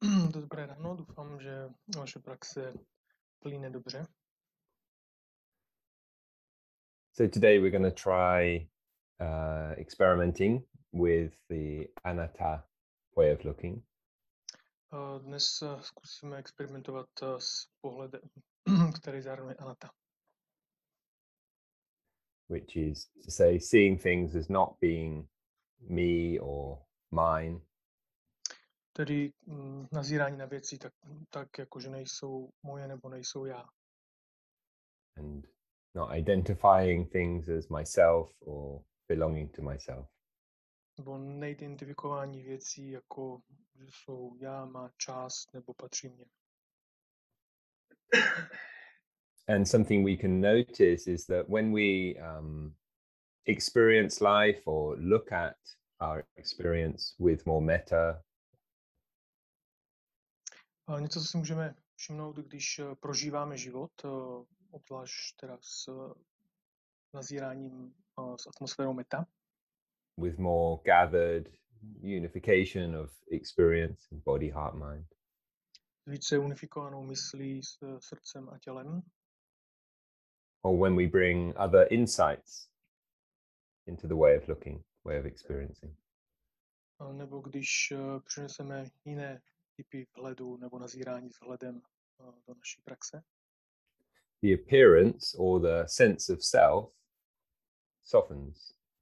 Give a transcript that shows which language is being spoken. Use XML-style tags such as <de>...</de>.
<cs>Dobré ráno, doufám, že vaše praxe plyne dobře.</cs> <en>So today we're going to try experimenting with the anatta way of looking.</en> <cs>Dnes zkusíme experimentovat s pohledem, který zahrnuje anatta.</cs> <en>Which is to say, seeing things as not being me or mine.</en> <cs>Tedy nazírání na věci tak jako že nejsou moje nebo nejsou já.</cs> <en>And not identifying things as myself or belonging to myself.</en> <cs>Nebo neidentifikování věcí jako že jsou já, má část nebo patří mě.</cs> <en>And something we can notice is that when we experience life or look at our experience with more metta.</en> <cs>Něco, co si můžeme všimnout, když prožíváme život, obzvlášť teda s nazíráním s atmosférou metta.</cs> <en>With more gathered unification of experience in body, heart, mind.</en> <cs>S více unifikovanou myslí s srdcem a tělem.</cs> <en>Or when we bring other insights into the way of looking, way of experiencing.</en> <cs>Nebo když přineseme jiné typy vhledu nebo nazírání s hledem do naší praxe.</cs> <en>The appearance or the sense of self softens.</en>